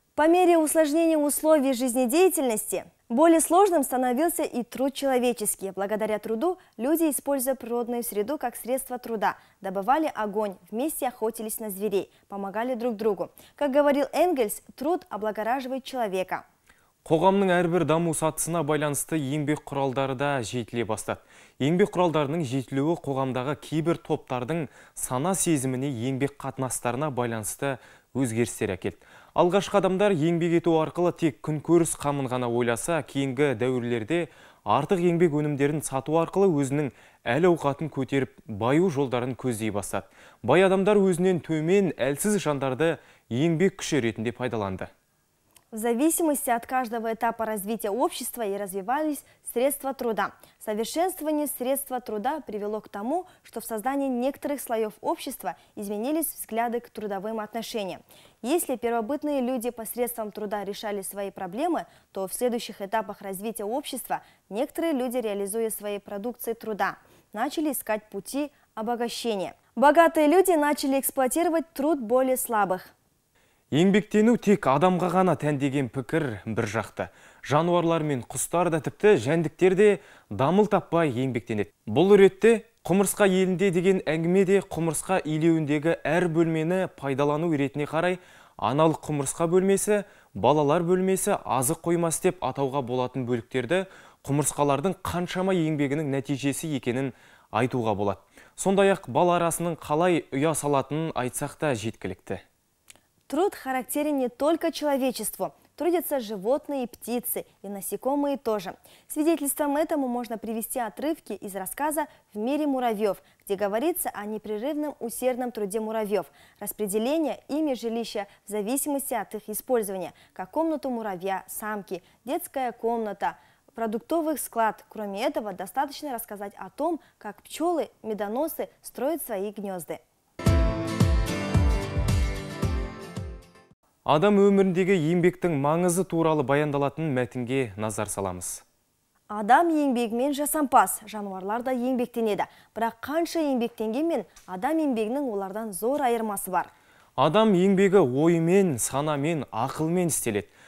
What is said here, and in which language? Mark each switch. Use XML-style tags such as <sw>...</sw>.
<ru>По мере усложнения условий жизнедеятельности, более сложным становился и труд человеческий. Благодаря труду люди, используя природную среду как средство труда, добывали огонь, вместе охотились на зверей, помогали друг другу. Как говорил Энгельс, труд облагораживает человека.</ru> <kk>Қоғамның әрбір даму сатысына байланысты еңбек құралдары да жетіле бастады. Еңбек құралдарының жетілуі қоғамдағы кейбір топтардың сана-сезіміне еңбек қатынастарына байланысты өзгерістер әкелді. Алғашқы адамдар еңбек ету арқылы тек күн көріс қамын ғана ойласа, кейінгі дәуірлерде артық еңбек өнімдерін сату арқылы өзінің әл-ауқатын көтеріп, баю жолдарын көздей бастады. Бай адамдар өзінен төмен әлсіз жандарды еңбек күші ретінде пайдаланды.</kk> <ru>В зависимости от каждого этапа развития общества и развивались средства труда. Совершенствование средства труда привело к тому, что в создании некоторых слоев общества изменились взгляды к трудовым отношениям. Если первобытные люди посредством труда решали свои проблемы, то в следующих этапах развития общества некоторые люди, реализуя свои продукции труда, начали искать пути обогащения. Богатые люди начали эксплуатировать труд более слабых.</ru> <kk>Еңбектену тек адамға ғана тәндеген пікір бір жақты. Жануарлар мен құстар да тіпті жәндіктерде дамыл таппай еңбектенеді. Бұл ретте құмырсқа елінде деген әңгіме де құмырсқа илеуіндегі әр бөлмені пайдалану ретіне қарай аналық құмырсқа бөлмесі, балалар бөлмесі азық қоймас деп атауға болатын бөліктерді құмырсқалардың қаншама еңбегінің нәтижесі екенін айтуға болады. Сондай-ақ бал арасының қалай ұя салатынын айтсақ та жеткілікті.</kk> <ru>Труд характерен не только человечеству. Трудятся животные и птицы, и насекомые тоже. Свидетельством этому можно привести отрывки из рассказа «В мире муравьев», где говорится о непрерывном усердном труде муравьев, распределении ими жилища в зависимости от их использования, как комнату муравья, самки, детская комната, продуктовый склад. Кроме этого, достаточно рассказать о том, как пчелы, медоносы строят свои гнезды.</ru> <kk>Адам өміріндегі еңбектің маңызы туралы баяндалатын мәтінге назар саламыз. Адам еңбегімен жасампас, жануарлар да еңбектенеді. Бірақ қанша еңбектенгенмен, адам еңбегінің олардан зор айырмасы бар. Адам еңбегі оймен, санамен, ақылмен істеледі.</kk>